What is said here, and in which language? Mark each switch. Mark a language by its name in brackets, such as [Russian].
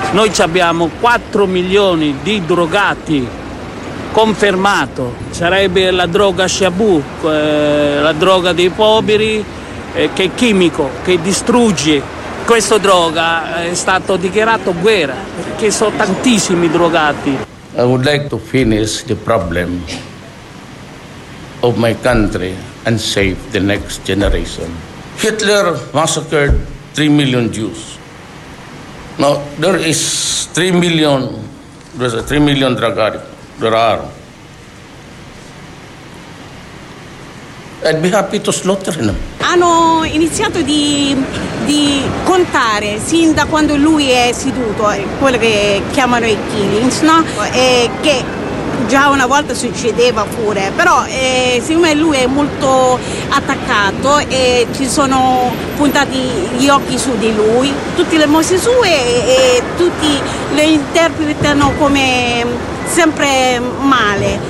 [Italian] Noi abbiamo 4 milioni di drogati confermato, sarebbe la droga Shabu, la droga dei poveri, che è chimico, che distrugge. Questa droga è stato dichiarato guerra, perché sono tantissimi drogati. [English] I would like to finish the problem of my country and save the next generation. Hitler massacred 3 million Jews. Now there is 3 million, there's a 3 million drug addicts. There are. I'd be happy to slaughter them. [Italian] Hanno iniziato di contare sin da quando lui è seduto, quello che chiamano i killings, no? E che già una volta succedeva pure, però siccome lui è molto attaccato e ci sono puntati gli occhi su di lui, tutte le mosse sue e tutti le interpretano come sempre male.